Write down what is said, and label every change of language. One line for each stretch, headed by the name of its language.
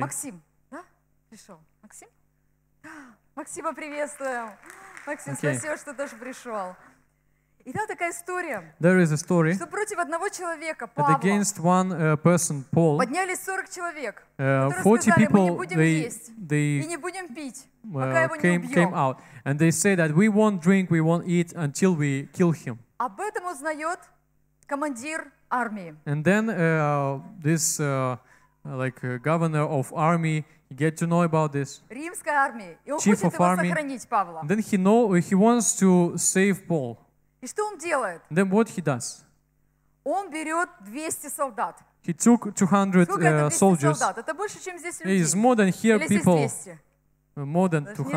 Russian: Максим, да? Пришел. Максим? Максима приветствуем. Максим, okay. Спасибо, что тоже пришел. И там такая история,
English: there is a story,
Russian: что против одного человека,
English: Павла, against one, person, Paul,
Russian: подняли 40 человек, которые сказали,
English: people,
Russian: мы не будем есть и не будем пить, пока его не убьем.
English: Came out. And they say that we won't drink, we won't eat until we kill him.
Russian: Об этом узнает командир армии.
English: And then this like governor of army get to know about this.
Russian: Римская армия. И он хочет его сохранить, Павла.
English: And then he wants to save Paul.
Russian: И что он делает?
English: Then what he does?
Russian: Он берет 200 солдат.
English: He took 200 soldiers.
Russian: Солдат? Это больше, чем здесь людей.
English: He is more than here
Russian: или
English: people.
Russian: Здесь 200?
English: More than 200.